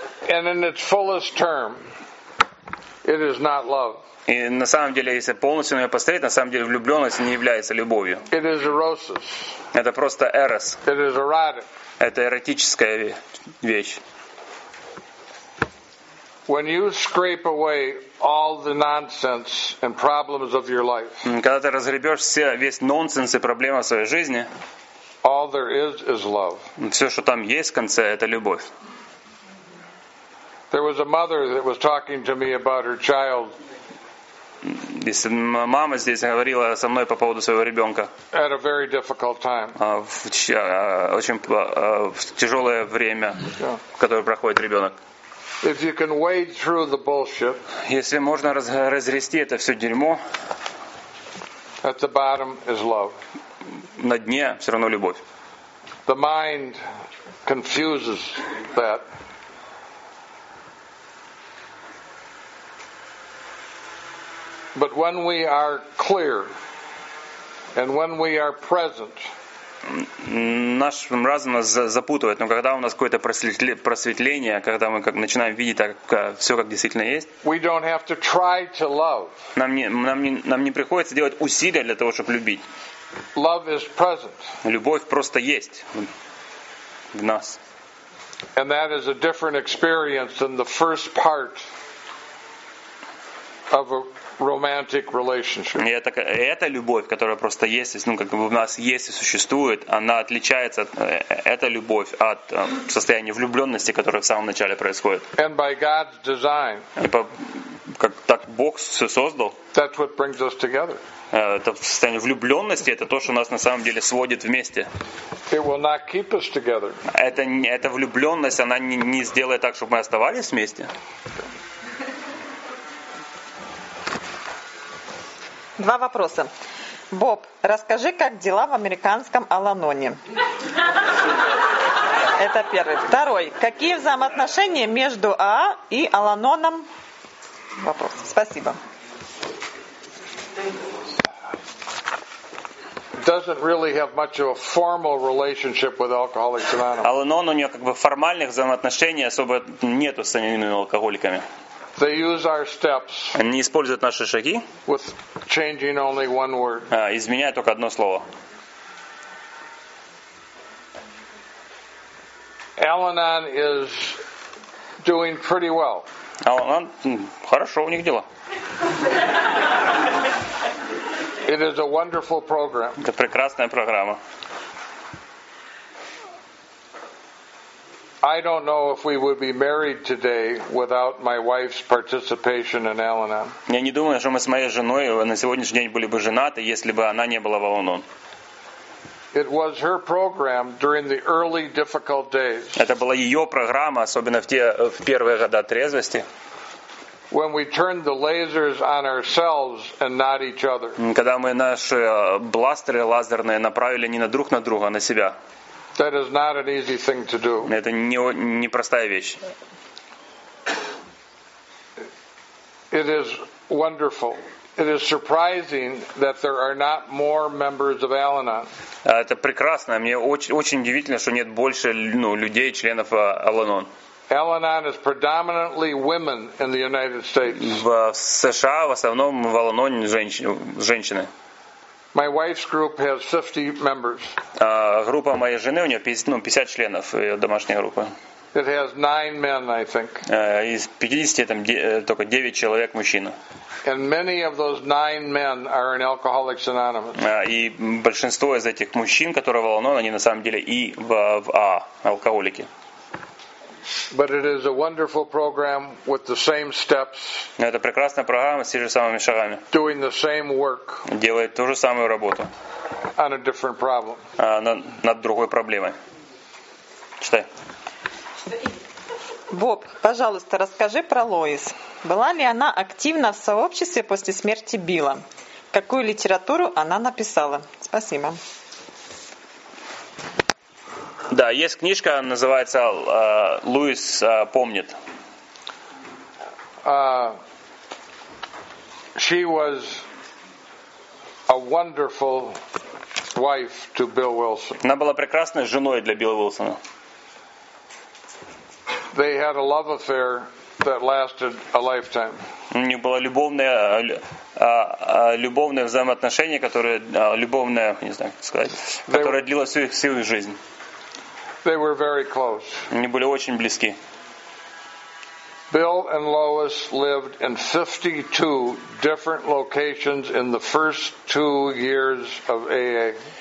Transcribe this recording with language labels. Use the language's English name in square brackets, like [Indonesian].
[English] And in its fullest term, it is not love. [Russian] И на самом деле, если полностью на нее посмотреть, на самом деле влюбленность не является любовью. [English] It is erosis. [Russian] Это просто эрос. [English] It is erotic. [Russian] Это эротическая вещь. [English] When you scrape away all the nonsense and problems of your life, [Russian] когда ты разгребешь весь нонсенс и проблемы своей жизни, [English] all there is love. [Russian] Все, что там есть в конце, это любовь. [English] There was a mother that was talking to me about her child. [Russian] Мама здесь говорила со мной по поводу своего ребенка. [English] At a very difficult time. [Russian] В тяжелое время, в которое проходит ребенок. [English] If you can wade through the bullshit, [Russian] если можно разгрести это все дерьмо, [English] at the bottom is love. [Russian] на дне все равно любовь. [English] The mind confuses that. But when we are clear and when we are present, [Russian] наш разум нас запутывает, но когда у нас какое-то просветление, когда мы как начинаем видеть так, все как действительно есть, [English] we don't have to try to love. [Russian] Нам не приходится делать усилия для того, чтобы любить. [English] Love is present. [Russian] Любовь просто есть в нас. [English] And that is a different experience than the first part of a romantic relationship. [Russian] Это любовь, которая просто есть, ну как бы у нас есть и существует, она отличается от эта любовь от состояния влюблённости, которое в самом начале происходит. [English] And by God's design. [Russian] Как так Бог все создал? [English] That's what brings us together. [Russian] Это состояние влюблённости, это то, что нас на самом деле сводит вместе. [English] It will not keep us together. [Russian] Эта влюблённость, она не сделает так, чтобы мы оставались вместе. 2 вопроса. Боб, расскажи, как дела в американском Аланоне? Это первый. 2. Какие взаимоотношения между АА и Аланоном? Вопрос. Спасибо. [English] Doesn't really have much of a formal relationship with Alcoholics Anonymous. [Russian] Аланон, у него как бы формальных взаимоотношений особо нету с анонимными алкоголиками. [English] They use our steps. [Russian] Они используют наши шаги. [English] With changing only one word. [Russian] Изменяя только одно слово. [English] Al-Anon is doing pretty well. [Russian] Al-Anon, хорошо у них дела. [English] It is a wonderful program. [Russian] Это прекрасная программа. [English] I don't know if we would be married today without my wife's participation in Al-Anon. [Russian] Я не думаю, что мы с моей женой на сегодняшний день были бы женаты, если бы она не была в Al-Anon. [English] It was her program during the early difficult days. [Russian] Это была её программа, особенно в первые годы трезвости. [English] When we turned the lasers on ourselves and not each other. [Russian] Когда мы наши бластеры лазерные направили не на друг на друга, а на себя. [English] That is not an easy thing to do. [Russian] Это не простая вещь. [English] It is wonderful. It is surprising that there are not more members of Al-Anon. [Russian] Это прекрасно. Мне очень удивительно, что нет больше людей членов Al-Anon. [English] Al-Anon is predominantly women in the United States. [Russian] В США в основном в Al-Anon женщины. [English] My wife's group has 50 members. [Russian] Группа моей жены, у неё 50 членов, её домашняя группа. [English] It has 9 men, I think. [Russian] Из 50 там только 9 человек мужчин. [English] And many of those 9 men are in Alcoholics Anonymous. [Russian] И большинство из этих мужчин, которые в Al-Anon, они на самом деле и в алкоголики. [English] But it is a wonderful program with the same steps. [Russian] Это прекрасная программа с теми же самыми шагами. [English] Doing the same work. [Russian] Делает ту же самую работу. [English] On a different problem. [Russian] Над другой проблемой. Читай. Боб, пожалуйста, расскажи про Лоис. Была ли она активна в сообществе после смерти Билла? Какую литературу она написала? Спасибо. Да, есть книжка, называется «Луис помнит». [English] She was a wonderful wife to Bill Wilson. [Russian] Она была прекрасной женой для Билла Уилсона. [English] They had a love affair that lasted a lifetime. [Russian] У них было любовное взаимоотношение, которое любовное, не знаю, как сказать, которое длилось всю их жизнь. [English] They were very close. [Russian] Они были очень близки. [English] Bill and Lois lived in 52 different locations in the first 2 years of AA.